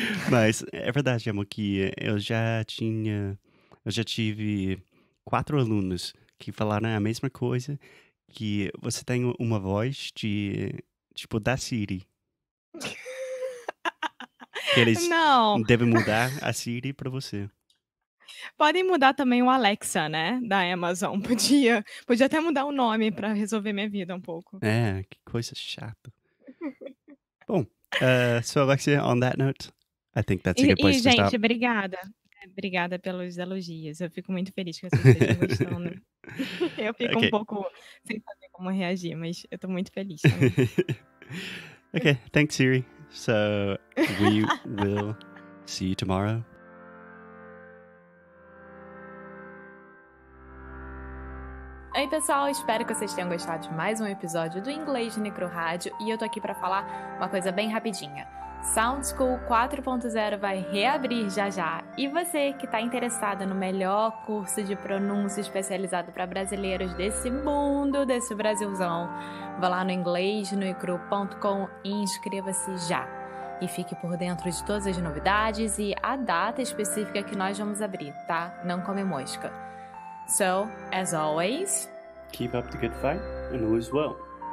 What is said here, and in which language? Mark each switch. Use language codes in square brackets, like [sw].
[pt] Mas é verdade, amor, que eu já tive 4 alunos que falaram a mesma coisa, que você tem uma voz de, tipo, da Siri. Que eles devem mudar a Siri para você. Podem mudar também o Alexa, né? Da Amazon. Podia até mudar o nome para resolver minha vida um pouco. É, que coisa chata. Bom, [en] so Alexia, on that note, I think that's a good place to [pt] gente, [en] stop. [pt] E, gente, obrigada. Obrigada pelos elogios. Eu fico muito feliz que vocês estejam gostando. Eu fico okay. Um pouco sem saber como reagir, mas eu tô muito feliz também. [en] Okay, thanks, Siri. So, we will see you tomorrow. [pt] Oi, pessoal. Espero que vocês tenham gostado de mais um episódio do Inglês Necro Rádio. E eu tô aqui pra falar uma coisa bem rapidinha. Sound School 4.0 vai reabrir já já. E você que está interessada no melhor curso de pronúncia especializado para brasileiros desse mundo, desse Brasilzão, vá lá no inglesnoicru.com e inscreva-se já. E fique por dentro de todas as novidades e a data específica que nós vamos abrir, tá? Não come mosca. [en] So, as always, keep up the good fight and lose well.